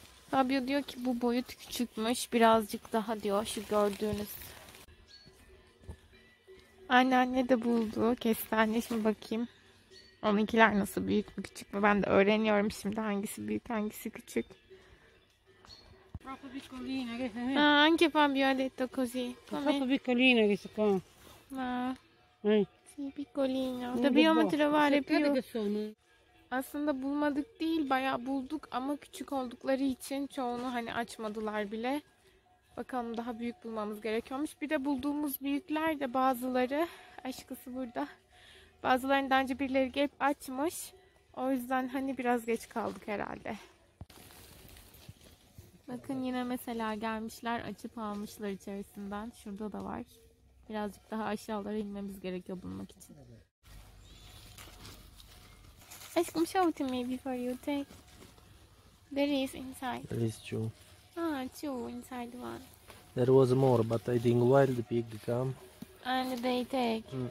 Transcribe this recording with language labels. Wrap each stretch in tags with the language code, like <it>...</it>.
<tr>Fabio diyor ki bu boyut küçükmüş. Birazcık daha diyor. Şu gördüğünüz. Anneanne de buldu. Kestane. Şimdi bakayım. Onunkiler nasıl büyük mü küçük mü? Ben de öğreniyorum şimdi hangisi büyük hangisi küçük.</tr> <it>Troppo piccolino, che se ne. Ah, anche Fabio ha detto così. Troppo piccolino che si fa. Ma. Sì, piccolino. Dobbiamo trovare più.</it> <tr>Aslında bulmadık değil, bayağı bulduk ama küçük oldukları için çoğunu hani açmadılar bile. Bakalım daha büyük bulmamız gerekiyormuş. Bir de bulduğumuz büyükler de bazıları, aşkısı burada. Bazılarını daha önce birileri gelip açmış. O yüzden hani biraz geç kaldık herhalde. Bakın yine mesela gelmişler, açıp almışlar içerisinden. Şurada da var. Birazcık daha aşağılara inmemiz gerekiyor bulmak için.</tr> <en>Ask him show to me before you take. There is inside. There is two. Ah, two inside one. There was more, but I think wild pig come. And they take.</en>